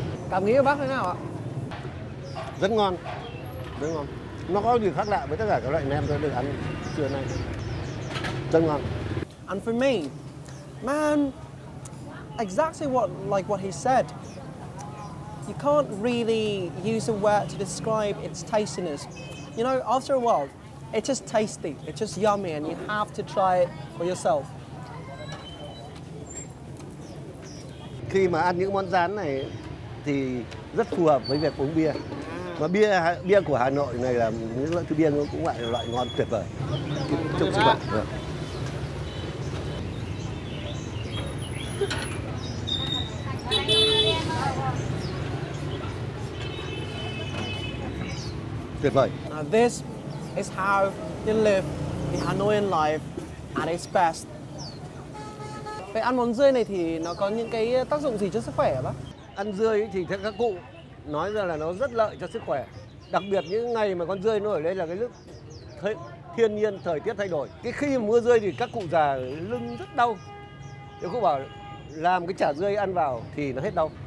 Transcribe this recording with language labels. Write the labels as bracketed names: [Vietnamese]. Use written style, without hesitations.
[Vietnamese] Cảm nghĩ của bác thế nào ạ? Rất ngon. Rất ngon. Nó có gì khác lạ với tất cả các loại nem tôi được ăn trưa nay. Rất ngon. [English] And for me, man, exactly what he said. You can't really use a word to describe its tastiness. You know, after a while, it's just tasty. It's just yummy and you have to try it for yourself. [Vietnamese] Khi mà ăn những món rán này thì rất phù hợp với việc uống bia. Mà bia của Hà Nội này là những loại bia nó cũng lại loại ngon tuyệt vời. Trong sức khỏe. Tuyệt vời. [English] Now this is how you live the Hanoian life at its best. [Vietnamese] Vậy ăn món rươi này thì nó có những cái tác dụng gì cho sức khỏe hả bác? Ăn rươi thì theo các cụ nói ra là nó rất lợi cho sức khỏe. Đặc biệt những ngày mà con rươi nó ở đây là cái lúc thiên nhiên thời tiết thay đổi. Cái khi mà mưa rươi thì các cụ già lưng rất đau. Nếu cụ bảo làm cái chả rươi ăn vào thì nó hết đau.